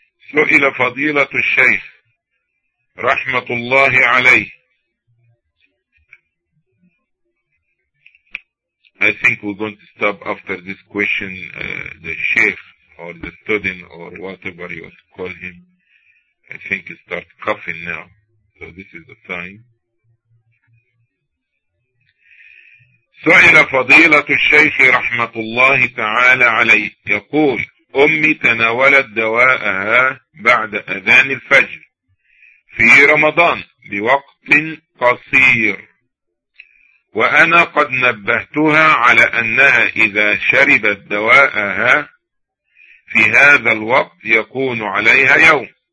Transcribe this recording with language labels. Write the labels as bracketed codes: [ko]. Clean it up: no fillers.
[ar] سئل فضيلة الشيخ رحمة الله عليه. [en] I think we're going to stop after this question. The sheikh or the student or whatever you call him, I think he starts coughing now. So this is the time. [ar] سئل فضيلة الشيخ رحمة الله تعالى عليه يقول أمي تناولت دواءها بعد أذان الفجر في رمضان بوقت قصير وأنا قد نبهتها على أنها إذا شربت دواءها في هذا الوقت يكون عليها يوم.